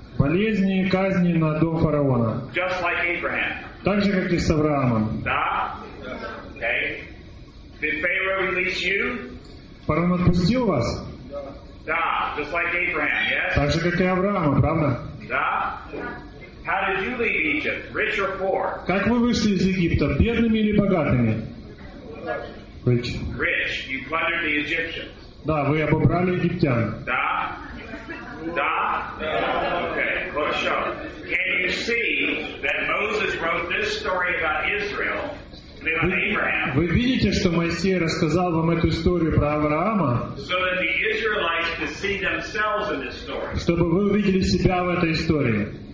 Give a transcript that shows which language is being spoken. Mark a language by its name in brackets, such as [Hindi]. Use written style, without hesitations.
[Russian] Болезни и казни на дом фараона. [English] Just like Abraham. [Russian] Так же, как и с Авраамом. [English] Да? Okay. Did Pharaoh release you? [Russian] Фараон отпустил вас? [English] Да, just like Abraham, yes? [Russian] Так же, как и Авраама, правда? Да? [English] How did you leave Egypt, rich or poor? [Russian] Как вы вышли из Египта, бедными или богатыми? [English] Rich. Rich, you plundered the Egyptians. [Russian] Да, вы обобрали египтян. [English] Да? Да? Okay, close show. Can you see that Moses wrote this story about Israel? [Russian] Вы видите, что Моисей рассказал вам эту историю про Авраама? Чтобы вы увидели себя в этой истории.